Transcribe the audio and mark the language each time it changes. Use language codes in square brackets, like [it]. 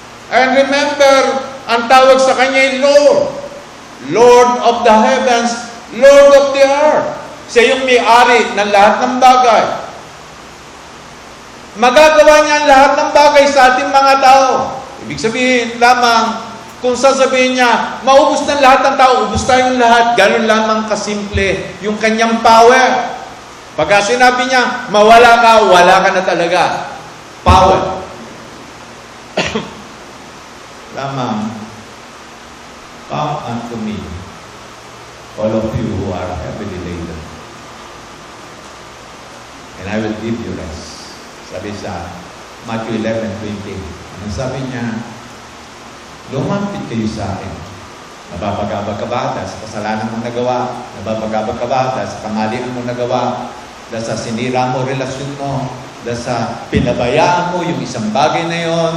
[en] And remember, [tl] ang tawag sa kanya yung Lord. [en] Lord of the heavens, Lord of the earth. [tl] Siya yung may-ari ng lahat ng bagay. Magagawa niya ang lahat ng bagay sa ating mga tao. Ibig sabihin lamang, kung sasabihin niya, maubos ng lahat ng tao, ubos tayong lahat, ganun lamang kasimple yung kanyang power. Pagka sinabi niya, mawala ka, wala ka na talaga. [en] Power. Lamang, come unto me, all of you who are heavily laden, and I will give you rest. [tl] Sabi sa Matthew 11:20, ang sabi niya, lumapit kayo sa akin, Nababagabag ka ba dahil sa kasalanan mong nagawa? Nababagabag ka ba dahil sa kamalian mong nagawa? Dahil sa sinira mo relasyon mo? Dahil sa pinabayaan mo yung isang bagay na yon?